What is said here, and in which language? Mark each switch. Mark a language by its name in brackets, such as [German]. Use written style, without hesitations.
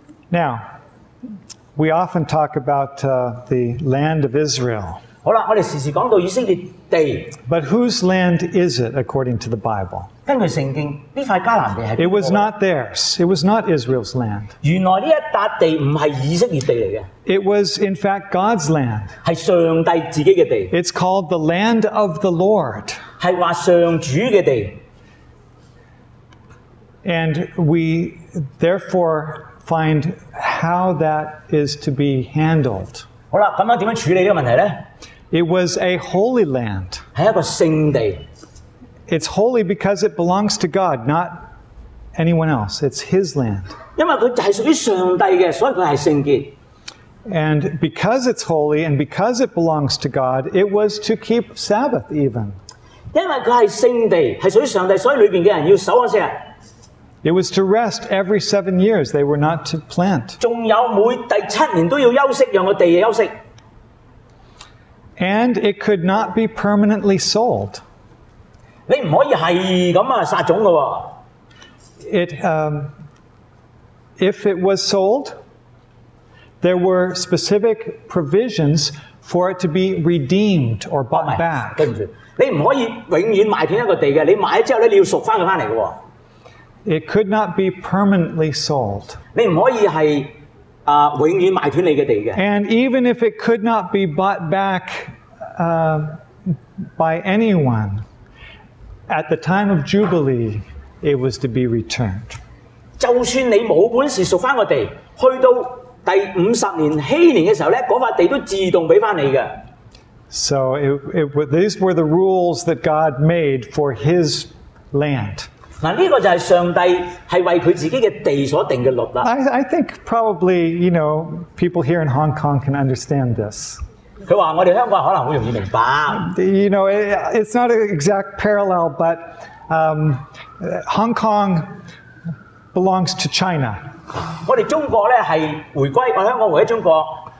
[English] Now, we often talk about the land of Israel. [Cantonese] 好啦，我哋时时讲到以色列地。 [English] But whose land is it according to the Bible? [Cantonese] 根据圣经，呢块迦南地系。 [English] It was not theirs. It was not Israel's land. [Cantonese] 原来呢一笪地唔系以色列地嚟嘅。 [English] It was in fact God's land. [Cantonese] 系上帝自己嘅地。 [English] It's called the land of the Lord. [Cantonese] 系话上主嘅地。 [English] And we therefore find how that is to be handled. [Cantonese] 好啦，咁样点样处理呢个问题咧？ [English] It was a holy land. [Cantonese] 系一个圣地。 [English] It's holy because it belongs to God, not anyone else. It's His land. [Cantonese] 因为佢系属于上帝嘅，所以佢系圣洁。 [English] And because it's holy and because it belongs to God, it was to keep Sabbath even. [Cantonese] 因为佢系圣地，系属于上帝，所以里边嘅人要守安息日。 [English] It was to rest every 7 years. They were not to plant. [Cantonese] 仲有每第七年都要休息，让个地休息。 [English] And it could not be permanently sold. [Cantonese] 你唔可以系咁啊撒种噶。 [English] It if it was sold, there were specific provisions for it to be redeemed or bought back. [Cantonese] 对唔住，你唔可以永远卖断一个地嘅。你卖咗之后咧，你要赎翻佢翻嚟噶。 [English] It could not be permanently sold. [Cantonese] 你唔可以系永远卖断你嘅地嘅。 [English] And even if it could not be bought back by anyone, at the time of Jubilee, it was to be returned. [Cantonese] 就算你冇本事屬翻個地，去到第五十年禧年嘅時候咧，嗰塊地都自動俾翻你嘅。 [English] So these were the rules that God made for His land. [Cantonese] 嗱，呢個就係上帝係為佢自己嘅地所定嘅律啦。 [English] I think probably you know people here in Hong Kong can understand this. [Cantonese] 佢話：我哋香港可能好容易明白。 [English] You know, it's not an exact parallel, but Hong Kong belongs to China. [Cantonese] 我哋中國咧係回歸，我香港回歸中國。